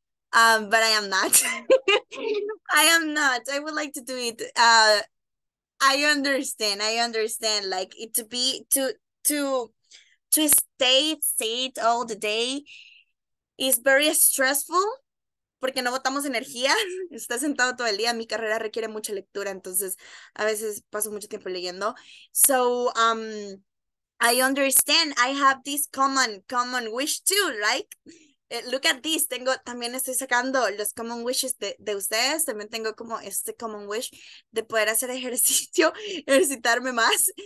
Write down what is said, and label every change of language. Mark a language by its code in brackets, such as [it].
[en] But I am not. I am not. I would like to do it. I understand. Like it to stay all the day is very stressful. [es] Porque no botamos energía, está sentado todo el día. Mi carrera requiere mucha lectura, entonces a veces paso mucho tiempo leyendo. [en] So, I understand, I have this common wish too, right? Look at this, [es] tengo, también estoy sacando los common wishes de ustedes. También tengo como este common wish de poder hacer ejercicio, ejercitarme más.